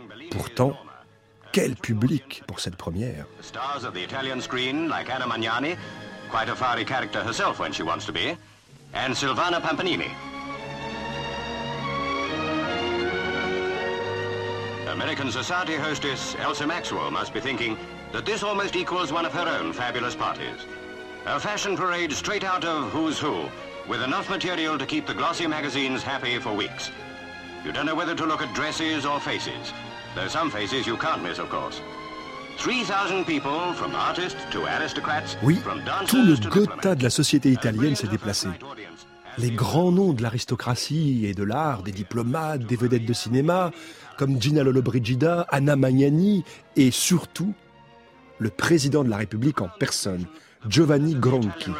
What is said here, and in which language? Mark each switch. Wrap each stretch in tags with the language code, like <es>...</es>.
<fr>Pourtant, quel public pour cette première! Les stars de l'italien screen, comme Anna Magnani,</fr> <en>quite a fiery character herself when she wants to be, and Silvana Pampanini. American society hostess Elsa Maxwell must be thinking that this almost equals one of her own fabulous parties. A fashion parade straight out of Who's Who, with enough material to keep the glossy magazines happy for weeks. You don't know whether to look at dresses or faces, though some faces you can't miss, of course. 3,000 people, from artists to aristocrats,</en> <fr>oui,</fr> <en>from dancers</en> <fr>tout le Gotha de la société italienne s'est déplacé. Les grands noms de l'aristocratie et de l'art, des diplomates, des vedettes de cinéma, comme Gina Lollobrigida, Anna Magnani, et surtout, le président de la République en personne, Giovanni Gronchi.</fr>